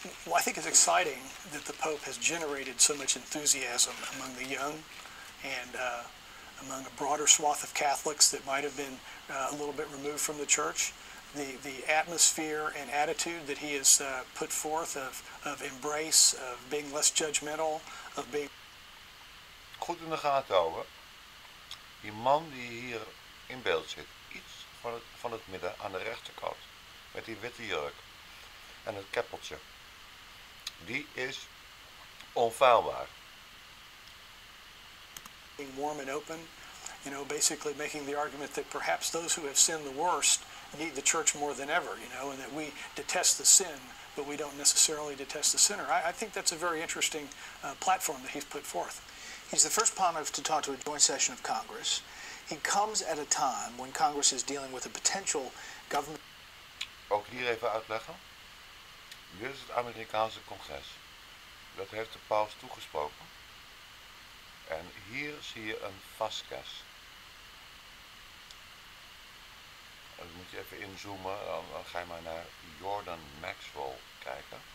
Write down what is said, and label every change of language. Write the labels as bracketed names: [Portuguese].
[English] Well, I think it's exciting that the Pope has generated so much enthusiasm among the young and among a broader swath of Catholics that might have been a little bit removed from the Church. The atmosphere and attitude that he has put forth of embrace, of being less judgmental, of being... [Dutch] Goed in de gaten houden. Die man die hier in beeld zit, iets van het midden aan de rechterkant, met die witte jurk en het keppeltje, die is onfeilbaar. [English] Being warm and open, you know, basically making the argument that perhaps those who have sinned the worst need the church more than ever, you know, and that we detest the sin, but we don't necessarily detest the sinner. I think that's a very interesting platform that he's put forth. He's the first pontiff to talk to a joint session of Congress. He comes at a time when Congress is dealing with a potential government. [Dutch] Ook hier even uitleggen. Dit is het Amerikaanse congres. Dat heeft de paus toegesproken. En hier zie je een Vasquez. Dan moet je even inzoomen, dan ga je maar naar Jordan Maxwell kijken.